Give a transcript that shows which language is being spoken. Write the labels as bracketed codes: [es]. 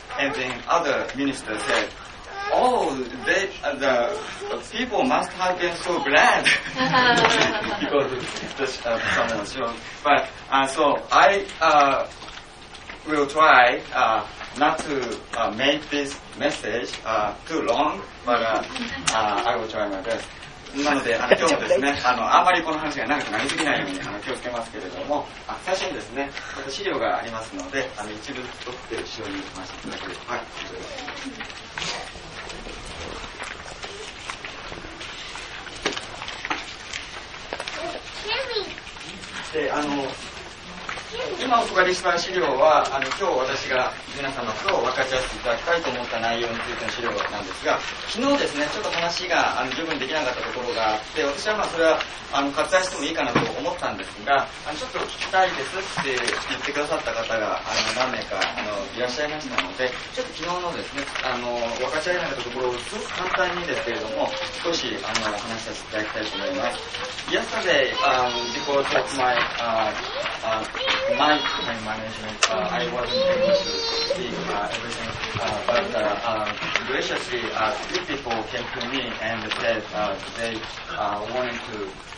[en] And then other minister said, the people must have been so glad because the sermon was short. But so I will try not to make this message too long, but I will try my best. [ja] なので今日もですねあまりこの話が長くなりすぎないように気をつけますけれども、最初にですねまた資料がありますので一部ずつ取って後ろに回していただければ、はい、で今お配りした資料は今日私が皆様と分かち合っていただきたいと思った内容についての資料なんですが、昨日ですねちょっと話が十分できなかったところがあって、私はそれは割愛してもいいかなと思ったんですが、ちょっと聞きたいですって言ってくださった方が何名かいらっしゃいましたので、ちょっと昨日のですね分かち合えなかったところをすごく簡単にですけれども少し話させていただきたいと思います。 [en] Yesterday before that my time management, I wasn't able to speak everything, but graciously two people came to me and said they wanted to